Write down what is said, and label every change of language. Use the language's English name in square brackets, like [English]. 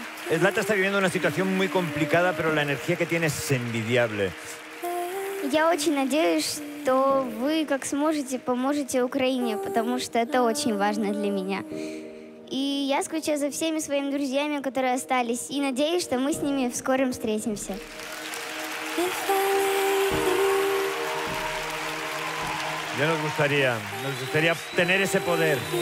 [Spanish] Zlata está viviendo una situación muy complicada, pero la energía que tiene es envidiable. [Russian] Я очень надеюсь, что вы, как сможете, поможете Украине, потому что это очень важно для меня. И я скучаю за всеми своими друзьями, которые остались, и надеюсь, что мы с ними в скором встретимся. [Spanish] Ya nos gustaría tener ese poder.